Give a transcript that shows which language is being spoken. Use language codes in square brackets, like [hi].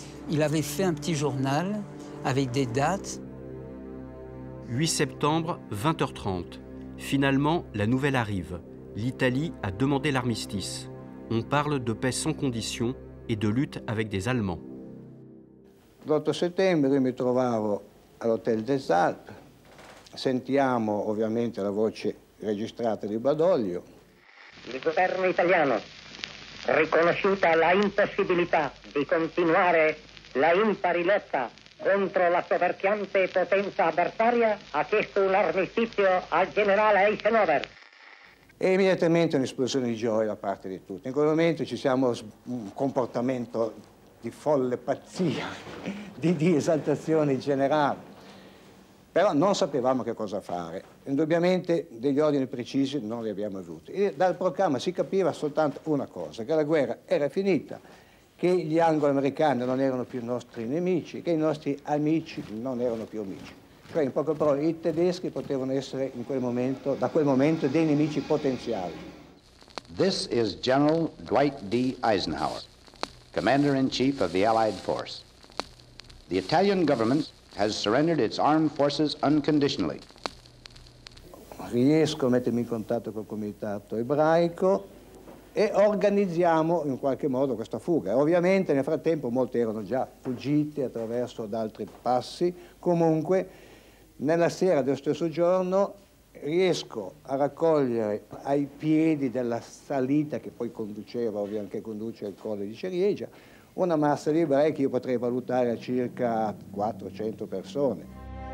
[fr] Il avait fait un petit journal avec des dates. 8 septembre, 20h30. Finalement, la nouvelle arrive. L'Italie a demandé l'armistice. On parle de paix sans condition et de lutte avec des Allemands. [it] L'8 settembre, io mi trovavo all'Hotel des Alpes. Sentiamo ovviamente la voce registrata di Badoglio. Il governo italiano, riconosciuta la impossibilità di continuare la impari lotta contro la soverchiante potenza avversaria, ha chiesto un armistizio al generale Eisenhower. E immediatamente un'esplosione di gioia da parte di tutti. In quel momento ci siamo un comportamento di folle pazzia, di esaltazione in generale. Però non sapevamo che cosa fare. Indubbiamente degli ordini precisi non li abbiamo avuti. E dal programma si capiva soltanto una cosa, che la guerra era finita, che gli anglo-americani non erano più nostri nemici, che i nostri amici non erano più amici. Cioè, in poche parole, i tedeschi potevano essere in quel momento, da quel momento, dei nemici potenziali. [en] This is General Dwight D. Eisenhower, Commander-in-Chief of the Allied Force. The Italian government has surrendered its armed forces unconditionally. [it] Riesco a mettermi in contatto col comitato ebraico e organizziamo in qualche modo questa fuga. Ovviamente nel frattempo molti erano già fuggiti attraverso da altri passi. Comunque, nella sera dello stesso giorno riesco a raccogliere ai piedi della salita che poi conduceva, ovviamente che conduce al colle di Ciriegia, una massa di ebrei che io potrei valutare a circa 400 persone.